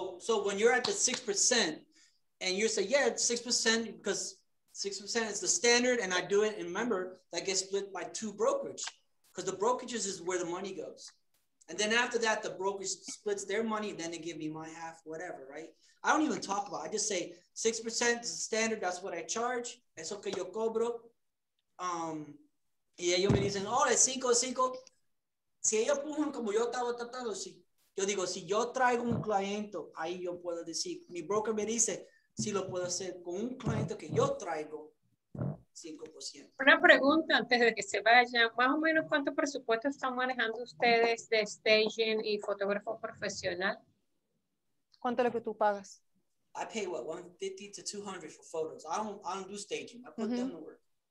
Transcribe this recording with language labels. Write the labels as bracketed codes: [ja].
[en] So when you're at the 6%, and you say, yeah, it's 6%, because 6% is the standard, and I do it, and remember, that gets split by 2 brokerage, because the brokerages is where the money goes. And then after that, the brokerage splits their money, then they give me my half, whatever, right? I don't even talk about it. I just say 6% is the standard, that's what I charge, [es] eso que yo cobro. Y ellos me dicen, oh, es 5-5. Si ellos pujan como yo estaba tratando, sí. Yo digo, si yo traigo un cliente, ahí yo puedo decir, mi broker me dice, si lo puedo hacer con un cliente que yo traigo, 5%. Una pregunta antes de que se vayan, más o menos, ¿cuánto presupuesto están manejando ustedes de staging y fotógrafo profesional? ¿Cuánto es lo que tú pagas? [en] I pay, what, $150 to $200 for photos. I don't do staging. I put them to work.